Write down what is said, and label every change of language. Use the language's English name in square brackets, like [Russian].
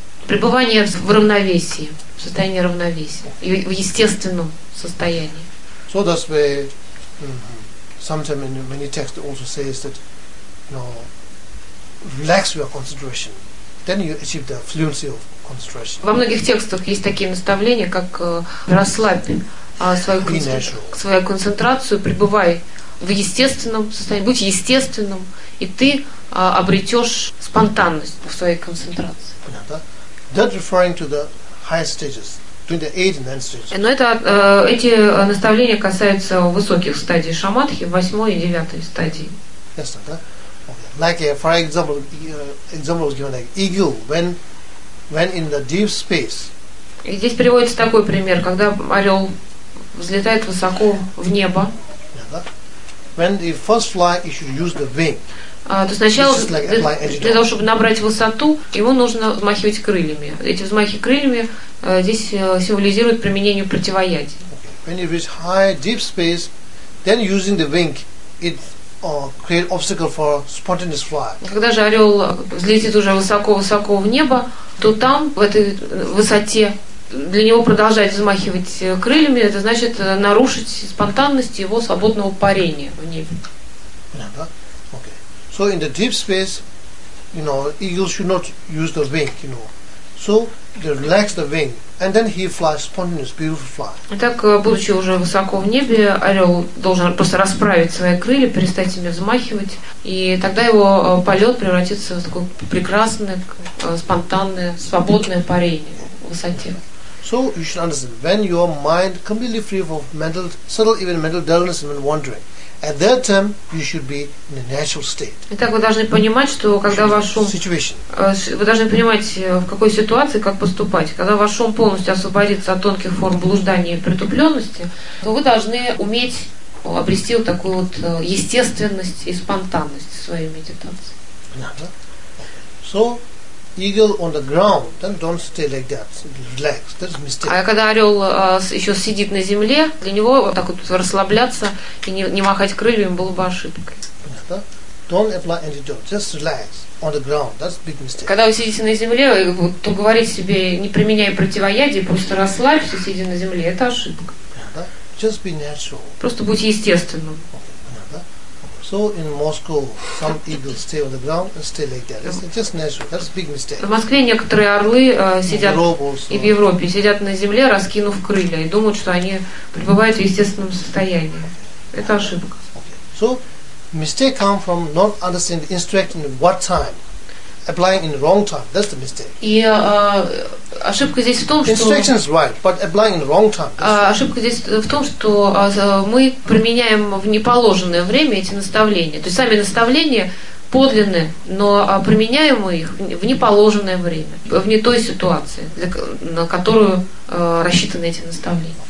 [Russian] Пребывание в равновесии, в состоянии равновесия, и в естественном состоянии. [English] So that's why sometimes in many texts also says that, you know, relax your concentration, then you achieve the fluency of concentration. [Russian] Во многих текстах есть такие наставления, как расслабь свою концентрацию, пребывай в естественном состоянии, будь естественным, и ты обретешь спонтанность в своей концентрации. [English] That referring to the higher stages, between the 8th and 9th stages. [Russian] Но это эти наставления касаются высоких стадий шамадхи, [English] 8th and 9th [Russian] стадии. [English] Yes, sir. Okay. Like for example, example was given like eagle when in the deep space. [Russian] И здесь приводится такой пример, когда орел взлетает высоко в небо. [English] When the first flight, you should use the wing. [Russian] То сначала для того, чтобы набрать высоту, ему нужно взмахивать крыльями. Эти взмахи крыльями здесь символизируют применение противоядия. [English] Okay. When you reach high, deep space, then using the wing, it create obstacle for spontaneous flight. [Russian] Когда же орел взлетит уже высоко-высоко в небо, то там в этой высоте для него продолжать взмахивать крыльями, это значит нарушить спонтанность его свободного парения в небе. [English] Okay. So in the deep space, you know, eagle should not use the wing, you know. So they relax the wing, and then he flies spontaneous, beautiful fly. [Russian] Итак, будучи уже высоко в небе, орел должен просто расправить свои крылья, перестать ими взмахивать, и тогда его полет превратится в такое прекрасное, спонтанное, свободное парение в высоте. [English] So you should understand when your mind completely free of mental, subtle even mental dullness and wandering, at that time you should be in a natural state. [Russian] Итак, вы должны понимать, что когда ваш ум, вы должны понимать, в какой ситуации как поступать. Когда ваш ум полностью освободится от тонких форм блуждания и притупленности, то вы должны уметь обрести вот такую вот естественность и спонтанность в своей медитации. [English] So eagle on the ground, then don't stay like that. Relax. That's mistake. [Russian] А когда орел еще сидит на земле, для него так вот расслабляться и не махать крыльями было бы ошибкой. [English] Don't apply antidote. Just relax on the ground. That's big mistake. [Russian] Когда вы сидите на земле, то говорить себе не применяй противоядие, просто расслабься, сидя на земле, это ошибка. [English] Just be natural. [Russian] Просто будь естественным. [English] So in Moscow, some eagles stay on the ground and stay like that. It's just natural. That's a big mistake. [Russian] В Москве некоторые орлы сидят и в Европе сидят на земле, раскинув крылья, и думают, что они пребывают в естественном состоянии. Это ошибка. [English] So mistake come from not understanding instructing what time, applying in wrong time. That's the mistake. [Russian] И ошибка здесь в том, что [English] instruction is right, but applying in wrong time. [Russian] Ошибка здесь в том, что мы применяем в неположенное время эти наставления. То есть сами наставления подлинны, но применяем мы их в неположенное время, в не той ситуации, на которую рассчитаны эти наставления.